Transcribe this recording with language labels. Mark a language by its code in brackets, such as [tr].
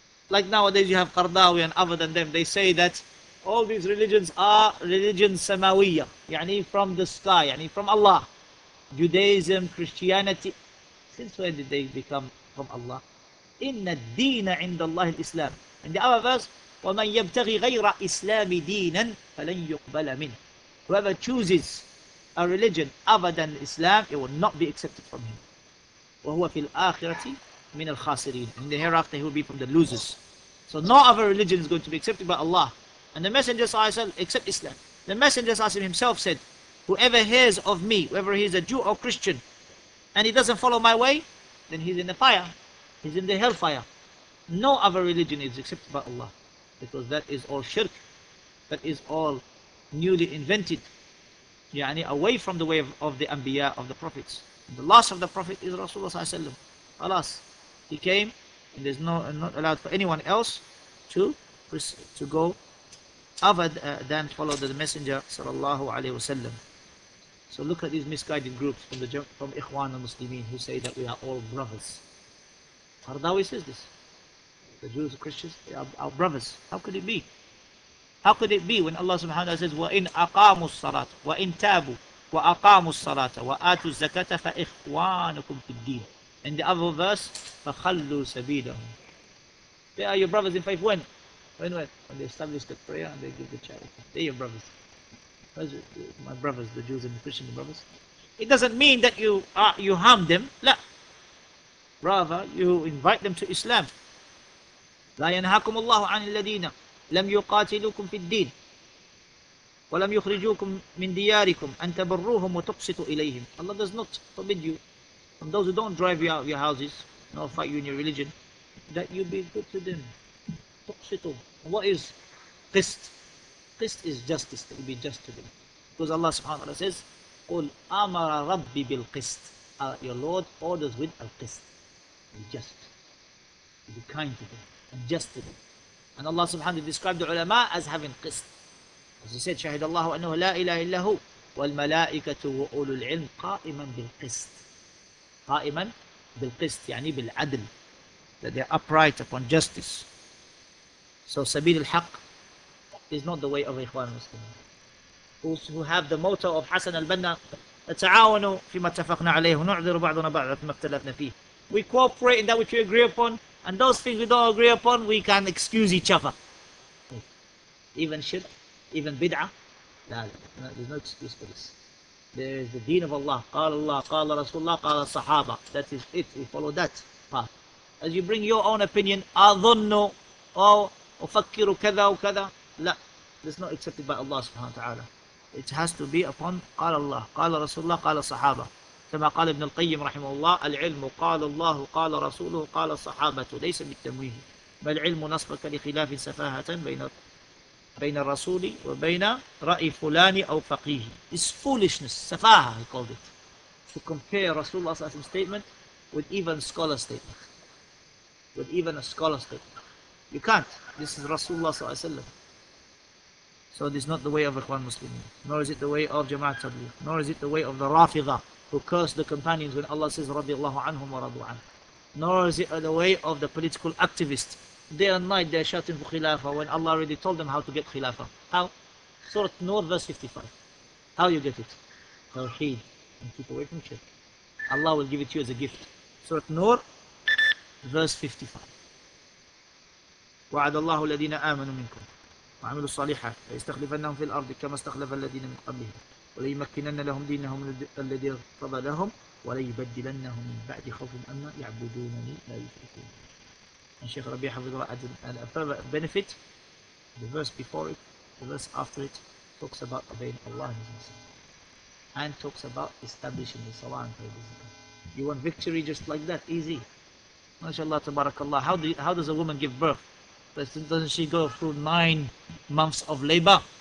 [en] Like nowadays you have Qardawi and other than them, they say that all these religions are religions samawiyya, yani from the sky, yani from Allah. Judaism, Christianity, since when did they become from Allah? [ar] Inna al-deena inda Allah al-Islam. [en] And the other verse, [ar] وَمَنْ يَبْتَغِي غَيْرَ إِسْلَامِ دِينًا فَلَنْ يُقْبَلَ مِنْهُ. [en] Whoever chooses a religion other than Islam, it will not be accepted from him. [ar] وَهُوَ فِي الْآخِرَةِ مِنَ الْخَاسِرِينَ. [en] In the hereafter, he will be from the losers. So no other religion is going to be accepted by Allah. And the Messenger said, except Islam. The Messenger himself said, whoever hears of me, whether he is a Jew or Christian, and he doesn't follow my way, then he's in the fire. He's in the hellfire. No other religion is accepted by Allah. Because that is all shirk. That is all newly invented, yani away from the way of the Anbiya, of the Prophets. The last of the Prophet is Rasulullah sallallahu alayhi wa sallam. Alas, he came, and there's not allowed for anyone else to go other than follow the Messenger sallallahu alayhi wa sallam. So look at these misguided groups from Ikhwan al-Muslimin who say that we are all brothers. Qardawi says this. The Jews, the Christians, they are our brothers. How could it be? How could it be when Allah subhanahu wa ta'ala says, [ar] وَإِنْ أَقَامُوا الصَّلَاةَ وَإِنْ تَابُوا وَأَقَامُوا الصَّلَاةَ وَآتُوا الزَّكَاةَ فَإِخْوَانُكُمْ فِي الدِّينِ. [en] In the other verse, [ar] فَخَلُّوا سَبِيلَهُمْ. [en] They are your brothers in faith when? Anyway, when they establish the prayer and they give the charity. They're your brothers. My brothers, the Jews and the Christian brothers. It doesn't mean that you harm them. La. Rather, you invite them to Islam. [ar] لا ينهاكم الله عن الذين لم يقاتلوكم في الدين ولم يخرجوكم من دياركم أن تبروهم وتقسطوا إليهم. [en] Allah does not forbid you from those who don't drive you out of your houses nor fight you in your religion, that you be good to them. تقسطوا. What is قسط? قسط is justice, that you be just to them. Because Allah subhanahu wa ta'ala says, [ar] قُلْ أَمَرَ رَبِّي بِالْقِسْطِ. [en] Your Lord orders with القسط. Be just. Be kind to them. And just to them. And Allah subhanahu wa ta'ala described the ulama as having qist. As he said, [ar] شَهِدَ اللَّهُ أَنُّهُ لَا إِلَهِ إِلَّهُ وَالْمَلَائِكَةُ وَأُولُو الْعِلْمِ قَائِمًا بِالْقِسْطِ. قَائِمًا بِالْقِسْطِ يعني بِالْعَدْلِ. [en] That they are upright upon justice. So [ar] سبيل الحق [en] is not the way of Ikhwan Muslim. Who have the motto of Hassan al-Banna, [ar] تَعَاوَنُوا فِيمَا تَفَقْنَا عَلَيْهُ نُعْذِرُ بَعْضُنَا بَعْضَ فِيمَا اخْتَلَفْنَا فِيهِ. [en] We cooperate in that which we agree upon, and those things we don't agree upon, we can excuse each other. Even shirk, even bid'ah, there's no excuse for this. There is the deen of Allah. [ar] قال الله قال رسول الله قال الصحابة. [en] That is it. We follow that path. As you bring your own opinion, [ar] أظنُ أو أفكر كذا وكذا. [en] لا, that's not accepted by Allah subhanahu wa ta'ala. It has to be upon [ar] قال الله قال رسول الله قال الصحابة. كما قال ابن القيم رحمه الله العلم قال الله قال رسوله قال الصحابة ليس بالتمويه بل علم نصبك لخلاف سفاهة بين الرسول وبين رأي فلان أو فقيه. [en] It's foolishness, سفاهة he called it, to compare Rasulullah's awesome statement with even scholar statement, with even a scholar statement. You can't. This is Rasulullah صلى الله عليه وسلم. So this is not the way of Ikhwan Muslimin, nor is it the way of Jama'at Tabligh, nor is it the way of the Rafidha, who curse the companions when Allah says radiallahu anhum wa radu an. Nor is it the way of the political activists. Day and night they're shouting for Khilafah when Allah already told them how to get Khilafah. How? Surah Nur verse 55. How you get it? Tawheed. And keep away from shirk. Allah will give it to you as a gift. Surah Nur verse 55. [ar] وَعَدَ اللَّهُ الَّذِينَ آمَنُوا مِنْكُمْ وَعَمِلُوا الصَّالِحَاتِ لَيَسْتَخْلِفَنَّهُمْ فِي الْأَرْضِ كَمَا اسْتَخْلَفَ الَّذِينَ مِنْ قَبْلِهِمْ وليمكنن لهم دينهم الذي ارتضى لهم وليبدلنهم من بعد خوفهم أمنا يعبدونني لا يشركون. [en] And Shaykh Rabi Hafidh adds a further benefit. The verse before it, the verse after it, talks about obeying Allah and His Messenger. And talks about establishing the Salah and prayer discipline. You want victory just like that? Easy. MashaAllah, Tabarakallah. How does a woman give birth? Doesn't she go through 9 months of labor?